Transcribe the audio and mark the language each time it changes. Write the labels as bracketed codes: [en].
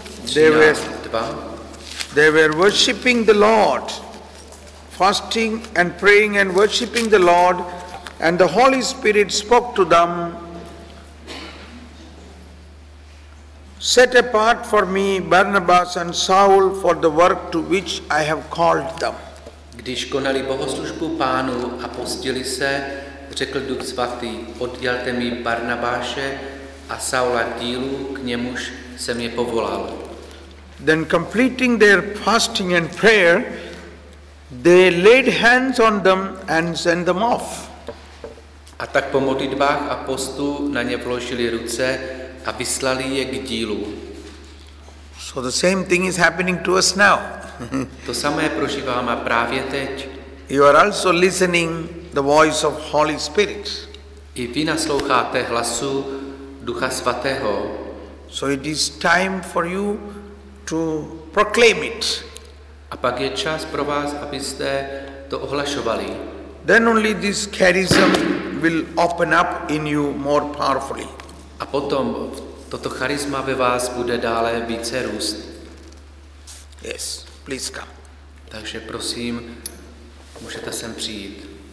[en] They were worshiping the Lord, fasting and praying and worshiping the Lord, and the Holy Spirit spoke to them, set apart for me Barnabas and Saul for the work to which I have called them. [cs] Když konali bohoslužbu Pánu a postili se, řekl Duch Svatý, oddělte mi Barnabáše a Saula dílu, k němuž jsem je povolal. [en] Then completing their fasting and prayer, they laid hands on them and sent them off. [cs] A tak po modlitbách a postu na ně vložili ruce a vyslali je k dílu. [en] So the same thing is happening to us now. [cs] To samé prožíváme právě teď. [en] You are also listening the voice of Holy Spirit. [cs] I vy nasloucháte hlasu Ducha Svatého. [en] So it is time for you to proclaim it. [cs] A pak je čas pro vás, abyste to ohlašovali. [en] Then only this charism will open up in you more powerfully. [cs] A potom toto charisma ve vás bude dále více růst. [en] Yes, please come. [cs] Takže prosím, můžete sem přijít.